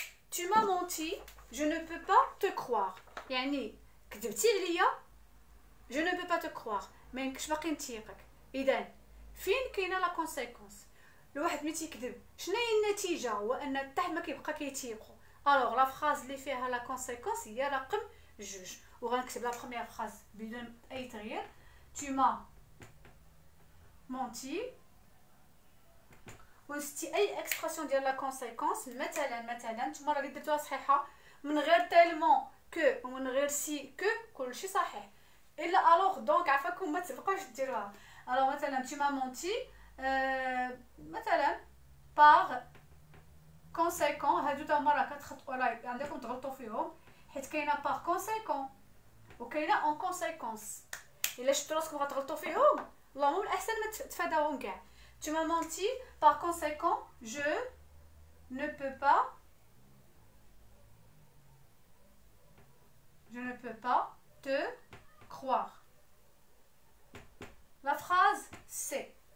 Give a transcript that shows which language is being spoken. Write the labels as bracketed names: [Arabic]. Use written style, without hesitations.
[French] Tu m'as menti, je ne peux pas te croire. Yani, [Arabic] كذبتي عليا, [French] je ne peux pas te croire. Mais je [Arabic] باقي نتيقك. إذن, فين كاينه la conséquence? الواحد ملي تيكذب, شنو هي النتيجة؟ هو أن التاه ما كيبقى كيتيقو. [French] Alors, la phrase [Arabic] اللي فيها la conséquence هي رقم جوج. وغنكتب [French] la première phrase [Arabic] بدون أي تغيير. [French] Tu m'as menti. [Arabic] وستي اي اكسبرسيون ديال لا كونسيكونس مثلا مثلا نتوما راه درتوها صحيحه من غير تيلمون كو ومن غير سي كو كلشي صحيح الا الوغ دونك عفاكم ما تسبقوش ديروها. الوغ مثلا [French] tu m'as menti [Arabic] مثلا par conséquent هادو تا مره كتخطئوا راه عندكم تغلطوا فيهم حيت كاينه par conséquent وكاينه en conséquence. الا شفتوا راسكم غتغلطوا فيهم اللهم الاحسن ما تتفاداوهم كاع. [French] Tu m'as menti, par conséquent, je ne peux pas. Je ne peux pas te croire. La phrase c'est.